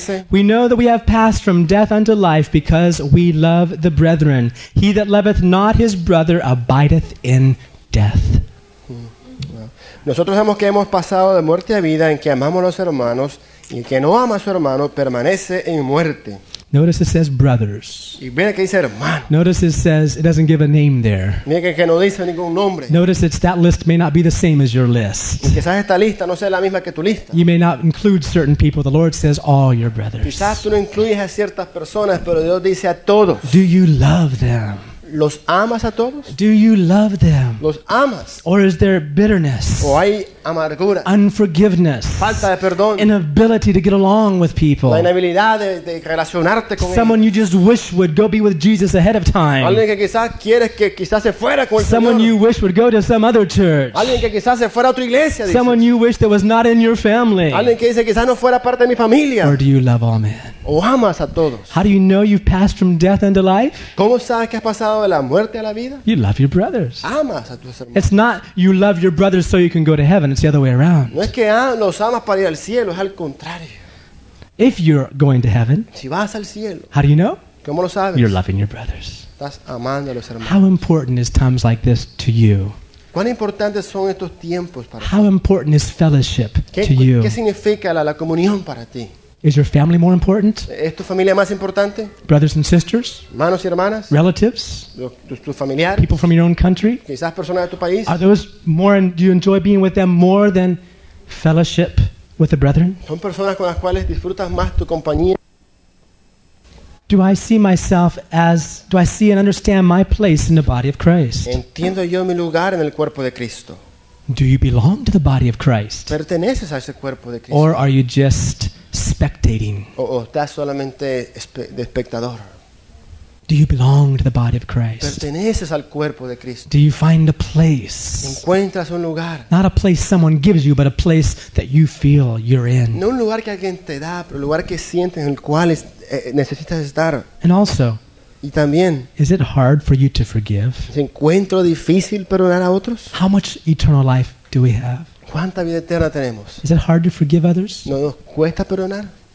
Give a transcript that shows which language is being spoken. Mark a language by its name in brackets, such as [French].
[English] We know that we have passed from death unto life because we love the brethren. He that loveth not his brother abideth in death. [Spanish] Nosotros sabemos que hemos pasado de muerte a vida en que amamos a los hermanos, y el que no ama a su hermano permanece en muerte. [English] Notice it says brothers. [Spanish] Y mira que dice hermano. [English] Notice it says it doesn't give a name there. [Spanish] Mira que no dice ningún nombre. [English] Notice it's that list may not be the same as your list. [Spanish] Y quizás esta lista no sea la misma que tu lista. [English] You may not include certain people. The Lord says all your brothers. [Spanish] Quizás tú no incluyes a ciertas personas, pero Dios dice a todos. [English] Do you love them? [Spanish] ¿Los amas a todos? [English] Do you love them? [Spanish] ¿Los amas? [English] Or is there bitterness? [Spanish] ¿O hay amargura? [English] Unforgiveness? [Spanish] Falta de perdón. [English] Inability to get along with people? [Spanish] La inabilidad de relacionarte con [English] someone [Spanish] ellos. [English] You just wish would go be with Jesus ahead of time. [Spanish] Alguien que quizás quieres que quizás se fuera con el [English] someone [Spanish] Señor. [English] You wish would go to some other church. [Spanish] Alguien que quizás se fuera a otra iglesia. [English] Someone [Spanish] dices. [English] You wish that was not in your family. [Spanish] Alguien que dice quizás no fuera parte de mi familia. [English] Or do you love all men? [Spanish] ¿O amas a todos? [English] How do you know you've passed from death unto life? [Spanish] ¿Cómo sabes que has pasado de la muerte a la vida? [English] You love your brothers. [Spanish] Amas a tus hermanos. [English] It's not you love your brothers so you can go to heaven. It's the other way around. [Spanish] No es que los amas para ir al cielo, es al contrario. [English] If you're going to heaven, [Spanish] si vas al cielo, [English] how do you know? [Spanish] ¿Cómo lo sabes? [English] You're loving your brothers. [Spanish] Estás amando a los hermanos. [English] How important is times like this to you? [Spanish] ¿Cuán importantes son estos tiempos para ti? [English] How important is fellowship to you? [Spanish] ¿Qué significa la comunión para ti? [English] Is your family more important? [Spanish] ¿Es tu familia más importante? [English] Brothers and sisters? [Spanish] Hermanos y hermanas? [English] Relatives? [Spanish] Tus familiares? [English] People from your own country? [Spanish] Quizás personas de tu país? [English] Are those more, do you enjoy being with them more than fellowship with the brethren? [Spanish] ¿Son personas con las cuales disfrutas más tu compañía? [English] Do I see myself as, do I see and understand my place in the body of Christ? [Spanish] ¿Entiendo yo mi lugar en el cuerpo de Cristo? [English] Do you belong to the body of Christ? [Spanish] ¿Perteneces a ese cuerpo de Cristo? [English] Or are you just spectating? [Spanish] O estás solamente de espectador. [English] Do you belong to the body of Christ? [Spanish] ¿Perteneces al cuerpo de Cristo? [English] Do you find a place? [Spanish] ¿Encuentras un lugar? [English] Not a place someone gives you, but a place that you feel you're in. [Spanish] No un lugar que alguien te da, pero un lugar que sientes en el cual necesitas estar. [English] And also, [Spanish] y también, [English] is it hard for you to forgive? [Spanish] ¿Se encuentra difícil perdonar a otros? [English] How much eternal life do we have? [Spanish] ¿Cuánta vida eterna tenemos? [English] Is it hard to forgive others? [Spanish] ¿No nos cuesta perdonar?